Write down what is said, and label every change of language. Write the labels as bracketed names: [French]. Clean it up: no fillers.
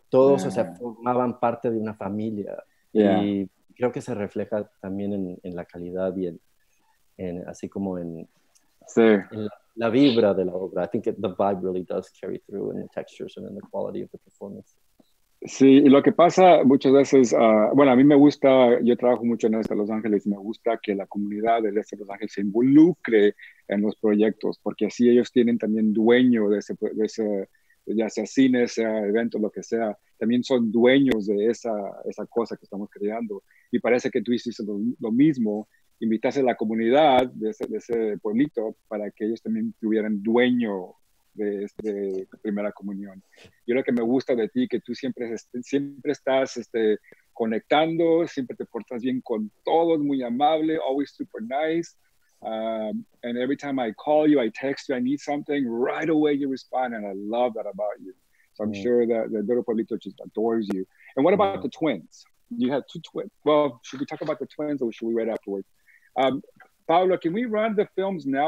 [Spanish] Todos o sea, formaban parte de una familia. Y creo que se refleja también en la calidad y en así como en, sí. en la vibra de la obra. [English] I think the vibe really does carry through in the textures and in the quality of the performance. [Spanish] Sí, y lo que pasa muchas veces, bueno, a mí me gusta, yo trabajo mucho en el este de Los Ángeles, y me gusta que la comunidad del este de Los Ángeles se involucre en los proyectos, porque así ellos tienen también dueño de ese, ya sea cine, sea evento, lo que sea, también son dueños de esa cosa que estamos creando. Y parece que tú hiciste lo mismo, invitaste a la comunidad de ese pueblito para que ellos también tuvieran dueño de esta primera comunión. Yo lo que me gusta de ti, que tú siempre estás conectando, siempre te portas bien con todos, muy amable, [English] always super nice. And every time I call you, I text you, I need something, right away you respond, and I love that about you. So I'm sure that the little pueblito just adores you. And what about the twins? You have two twins. Well, should we talk about the twins, or should we wait afterwards? Paolo, can we run the films now?